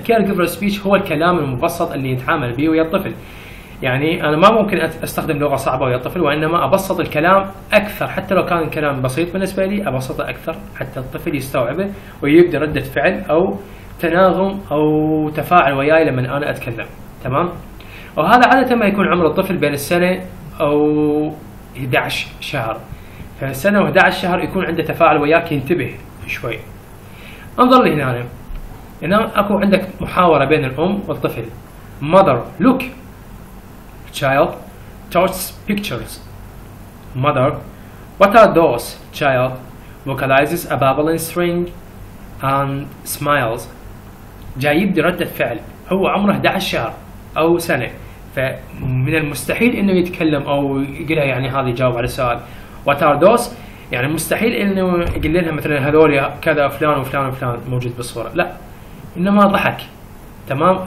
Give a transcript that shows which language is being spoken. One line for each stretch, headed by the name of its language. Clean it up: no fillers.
Arabic: caregiver speech هو الكلام المبسط اللي يتعامل به ويا الطفل، يعني أنا ما ممكن أستخدم لغة صعبة ويا الطفل، وإنما أبسط الكلام أكثر حتى لو كان الكلام بسيط بالنسبة لي، أبسطه أكثر حتى الطفل يستوعبه ويبدأ ردة فعل أو تناغم أو تفاعل وياي لما أنا أتكلم تمام. وهذا عادة ما يكون عمر الطفل بين السنة أو 11 شهر، فالسنة و 11 شهر يكون عنده تفاعل وياك ينتبه شوي. انظر لهنا، هنا أكو عندك محاورة بين الأم والطفل.
English: mother look child touch pictures mother what are those child vocalizes a babbling string and smiles.
Arabic: جايب دي ردة فعل، هو عمره 11 شهر أو سنة، فمن المستحيل إنه يتكلم أو يقولها يعني هذه جاوب على السؤال وتاردوس، يعني مستحيل إنه يقول لها مثلا هذول كذا فلان وفلان وفلان موجود بالصورة، لا إنما ضحك تمام.